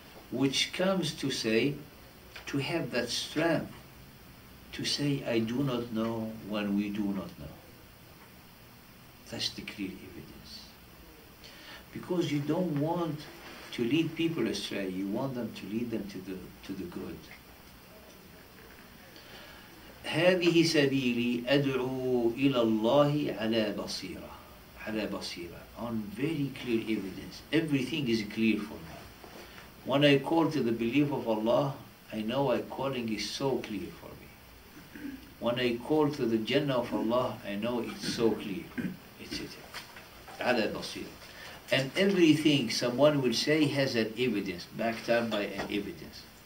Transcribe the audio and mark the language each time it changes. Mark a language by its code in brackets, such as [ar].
[en] which comes to say, to have that strength to say, I do not know when we do not know. That's the clear evidence. Because you don't want to lead people astray, you want them to lead them to the good. [ar] هذه سبيلي أدعو إلى الله على بصيرة على بصيرة [en] on very clear evidence. Everything is clear for me. When I call to the belief of Allah, I know my calling is so clear for me. When I call to the Jannah of Allah, I know it's so clear, etc. [ar] على بصيرة. [en] And everything someone will say has an evidence, backed up by an evidence.